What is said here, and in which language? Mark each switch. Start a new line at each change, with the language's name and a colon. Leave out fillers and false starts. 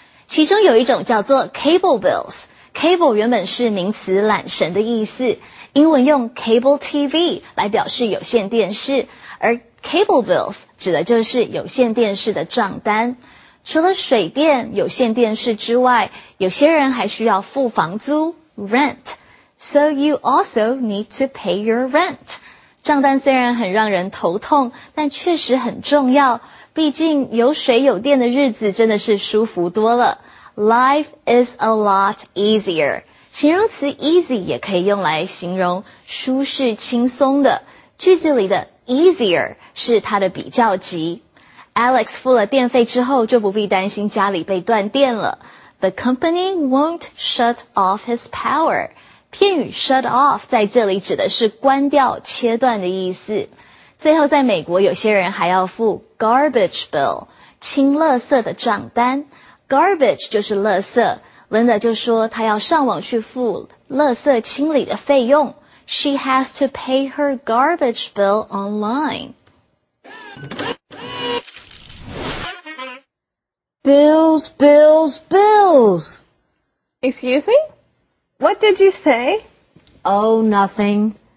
Chinese: 其中有一种叫做 cable bills。Cable 原本是名词缆绳的意思。英文用 cable TV 来表示有线电视。而 cable bills 指的就是有线电视的账单。除了水电、有线电视之外，有些人还需要付房租 rent.
English: So you also need to pay your rent.
Chinese: 账单虽然很让人头痛，但确实很重要。毕竟有水有电的日子真的是舒服多了。
English: Life is a lot easier.
Chinese: 形容词 easy 也可以用来形容舒适轻松的。句子里的 easier 是它的比较级。 Alex 付了电费之后就不必担心家里被断电了。
English: The company won't shut off his power.
Chinese: 片语 shut off 在这里指的是关掉、切断的意思。最后在美国有些人还要付 garbage bill, 清垃圾的账单。 Garbage 就是垃圾。Linda 就说她要上网去付垃圾清理的费用。
English: She has to pay her garbage bill online. Bills, bills, bills! Excuse me? What did you say? Oh, nothing.